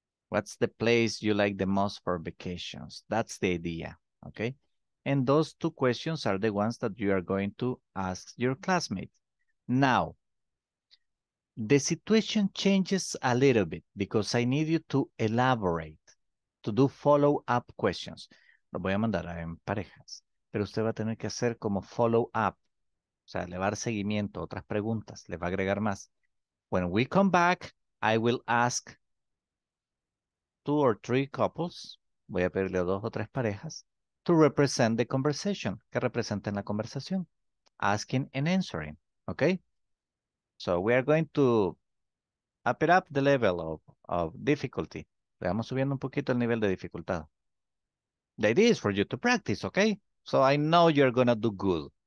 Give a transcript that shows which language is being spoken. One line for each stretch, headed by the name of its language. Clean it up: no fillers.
English: What's the place you like the most for vacations? That's the idea, okay? And those two questions are the ones that you are going to ask your classmate. Now, the situation changes a little bit because I need you to elaborate, to do follow-up questions.
Spanish: Lo voy a mandar a en parejas, pero usted va a tener que hacer como follow-up, o sea, le va a dar seguimiento, otras preguntas, le va a agregar más.
English: When we come back, I will ask two or three couples,
Spanish: voy a pedirle a dos o tres parejas,
English: to represent the conversation,
Spanish: que representen la conversación,
English: asking and answering, okay? So we are going to up it up the level of difficulty.
Spanish: Vamos subiendo un poquito el nivel de dificultad.
English: The idea is for you to practice, okay? So I know you're going to do good.